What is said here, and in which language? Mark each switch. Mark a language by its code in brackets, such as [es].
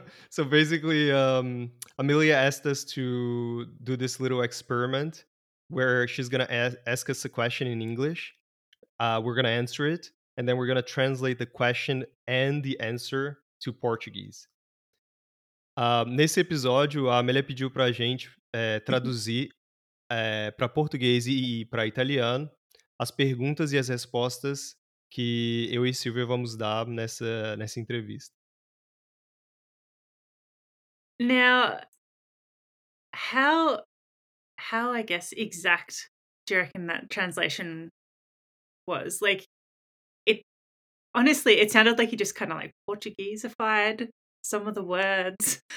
[en] So basically, Amelia asked us to do this little experiment where she's going to ask us a question in English. We're going to answer it, and then we're going to translate the question and the answer to Portuguese. [pt] Nesse episódio, a Amelia pediu para a gente traduzir para português e para italiano as perguntas e as respostas que eu e Silvia vamos dar nessa entrevista. [en] Now, how I guess exact do you reckon that translation was? Like, it honestly, it sounded like you just kind of like Portugueseified some of the words.